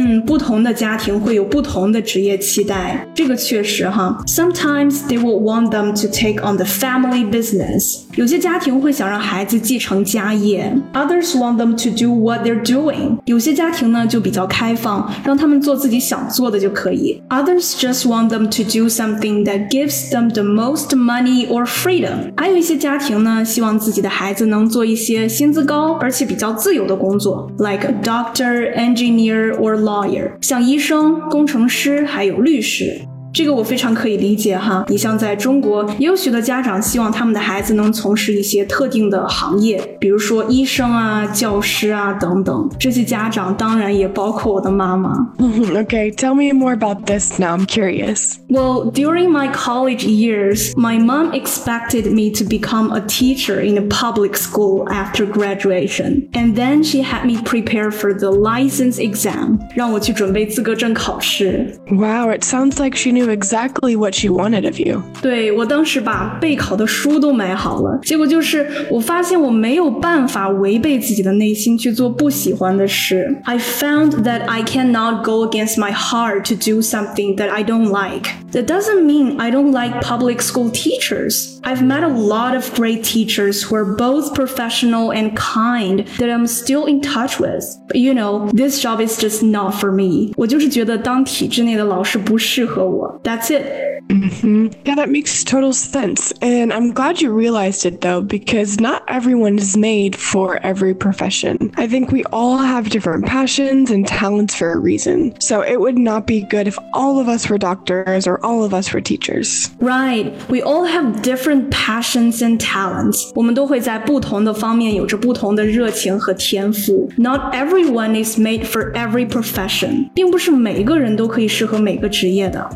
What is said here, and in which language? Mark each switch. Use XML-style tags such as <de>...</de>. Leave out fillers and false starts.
<zh>不同的家庭会有不同的职业期待，这个确实哈。</zh> <en>Sometimes they will want them to take on the family business.</en> <zh>有些家庭会想让孩子继承家业。</zh> <en>Others want them to do what they're doing.</en> <zh>有些家庭呢就比较开放，让他们做自己想做的就可以。</zh> <en>Others just want them to do something that gives them the most money or freedom.</en> <zh>还有一些家庭呢，希望自己的孩子能做一些薪资高而且比较自由的工作 ，</zh> <en>like a doctor, engineer, or lawyer.</en> <zh>像医生、工程师还有律师。这个我非常可以理解哈，你像在中国也有许多家长希望他们的孩子能从事一些特定的行业，比如说医生啊、教师啊等等，这些家长当然也包括我的妈妈。</zh> <en>Okay, tell me more about this now, I'm curious. Well, during my college years, my mom expected me to become a teacher in a public school after graduation. And then she had me prepare for the license exam,</en> <zh>让我去准备资格证考试。</zh> <en>Wow, it sounds like she knew exactly what she wanted of you.</en> <zh>对，我当时把备考的书都买好了，结果就是我发现我没有办法违背自己的内心去做不喜欢的事。</zh> <en>I found that I cannot go against my heart to do something that I don't like. That doesn't mean I don't like public school teachers. I've met a lot of great teachers who are both professional and kind that I'm still in touch with. But you know, this job is just not for me.</en> <zh>我就是觉得当体制内的老师不适合我。</zh> <en>That's it. Mm-hmm. Yeah, that makes total sense. And I'm glad you realized it, though, because not everyone is made for every profession. I think we all have different passions and talents for a reason. So it would not be good if all of us were doctors or all of us were teachers. Right. We all have different passions and talents.</en> <zh>我们都会在不同的方面有着不同的热情和天赋。</zh> <en>Not everyone is made for every profession.</en> <zh>并不是每个人都可以适合每个职业的。</zh>